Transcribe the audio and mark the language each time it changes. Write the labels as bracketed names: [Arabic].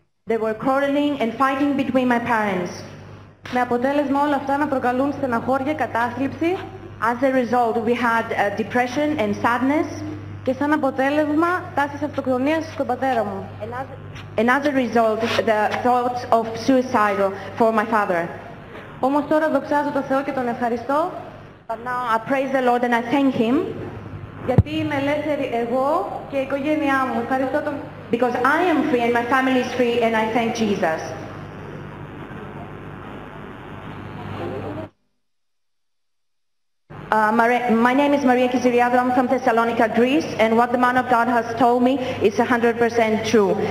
[English] They were quarreling and fighting between my parents. [Greek] Με αποτέλεσμα όλα αυτά να προκαλούν στεναχώρια, κατάθλιψη. [English] As a result, we had depression and sadness. [Greek] Και σαν αποτέλεσμα, τάσεις αυτοκτονίας στον πατέρα μου. [English] And as a result, the thoughts of suicidal for my father. [Greek] Όμως τώρα δοξάζω τον Θεό και τον ευχαριστώ. [English] But now I praise the Lord and I thank Him. [Greek] Γιατί είμαι ελεύθερη εγώ και η οικογένειά μου. Ευχαριστώ τον. [English] Because I am free and my family is free and I thank Jesus. My name is Maria Kiziriadou. I'm from Thessalonica, Greece, and what the man of God has told me is 100% true.